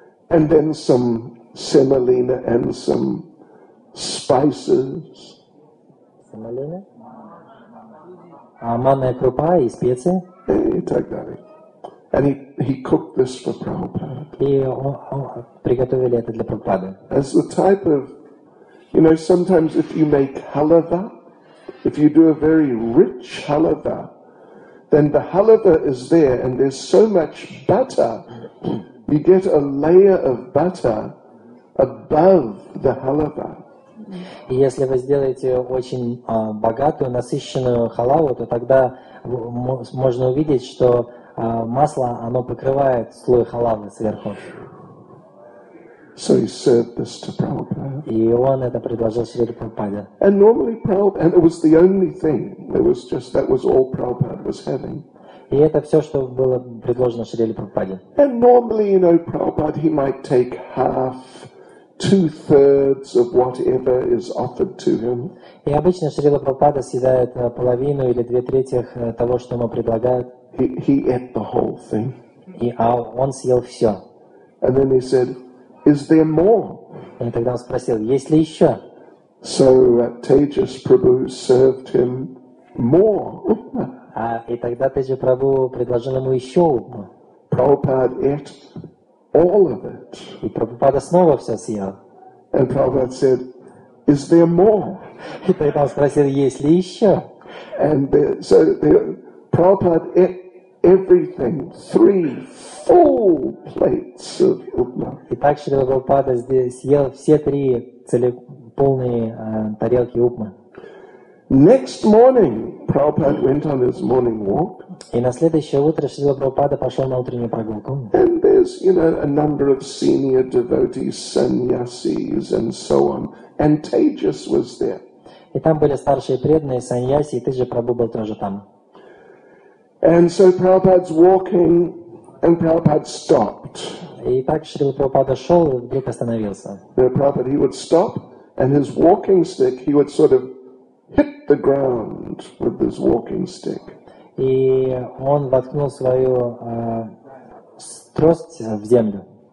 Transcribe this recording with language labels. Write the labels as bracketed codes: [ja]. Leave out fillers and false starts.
[en] And then some semolina and some spices. [ru] Semolina? А манная крупа и специи? И так далее. [en] And he cooked this for Prabhupada. [ru] И приготовили это для Прабхупады. [en] As the type of, you know, sometimes if you make halava, if you do a very rich halava, then the halava is there, and there's so much butter, you get a layer of butter above the halava. [ru] Если вы сделаете очень богатую, насыщенную халаву, то тогда можно увидеть, что масло, оно покрывает слой халавы сверху. [en] So he served this to Prabhupada. [ru] И он это предложил Шриле Прабхупаде. [en] And normally Prabhupada, and it was the only thing. It was just that was all Prabhupada was having. [ru] И это все, что было предложено Шриле Прабхупаде. [en] And normally, you know, Prabhupada, he might take half, two-thirds of whatever is offered to him. [ru] И обычно Шрила Прабхупада съедает половину или две трети того, что ему предлагают. [en] He ate the whole thing. [ru] И он съел все. [en] And then he said, is there more? [ru] И тогда он спросил, есть ли еще? [en] So Tejas Prabhu served him more. [ru] И тогда Теджа Прабху предложил ему еще. [en] Prabhupada ate all of it. [ru] И Прабхупада снова все съел. [en] And Prabhupada said, is there more? [ru] И тогда он спросил, есть ли еще? [en] And Prabhupada ate everything, three full plates of upma. [ru] И так Шрила Прабхупада съел все три полные тарелки упмы. [en] Next morning, Prabhupada went on his morning walk. [ru] И на следующее утро Шрила Прабхупада пошел на утреннюю прогулку. [en] And there's, you know, a number of senior devotees, sannyasis, and so on. And Tejas was there. [ru] И там были старшие преданные, саньяси, и Теджа Прабху был тоже там. [en] And so Prabhupada's walking, and Prabhupada stopped. [ru] И так Шрила Прабхупада шел, и вдруг остановился. [en] Then Prabhupada, he would stop, and his walking stick, he would sort of hit the ground with his walking stick. [ru] И он воткнул свою трость в землю.